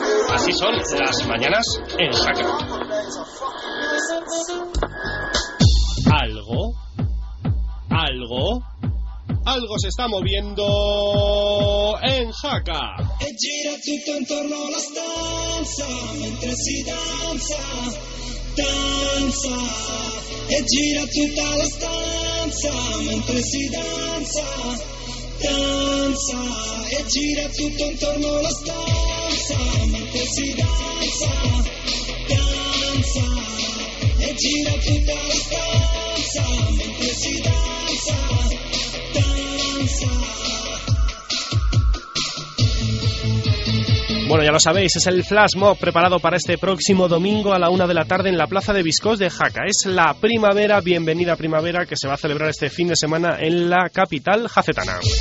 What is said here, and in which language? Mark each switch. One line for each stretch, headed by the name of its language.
Spanish: Así son las mañanas en Jaca. ¿Algo? Algo, algo se está moviendo en Jaca.
Italian: Gira tutto intorno la stanza mentre si danza, danza. Gira tutta la stanza mentre si danza, danza. Gira tutto intorno la stanza mentre si danza, danza. Gira tutta la stanza mentre si danza.
Spanish: Bueno, ya lo sabéis, es el flash mob preparado para este próximo domingo a la 1 de la tarde en la Plaza de Viscós de Jaca. Es la primavera, bienvenida primavera, que se va a celebrar este fin de semana en la capital jacetana.